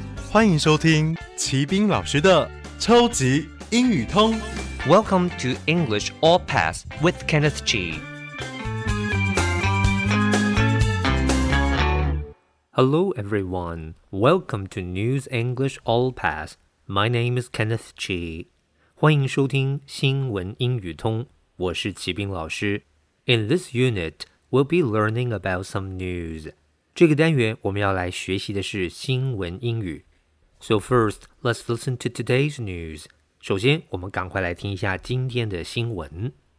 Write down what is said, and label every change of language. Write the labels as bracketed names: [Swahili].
[Chinese] 欢迎收听齐宾老师的超级英语通。 [English] Welcome to English All Pass with Kenneth G. Hello everyone, welcome to News English All Pass. My name is Kenneth G. [Chinese] 欢迎收听新闻英语通，我是齐宾老师。 [English] In this unit, we'll be learning about some news. [Chinese] 这个单元我们要来学习的是新闻英语。 [English] So first, let's listen to today's news. [Chinese] 首先我们赶快来听一下今天的新闻。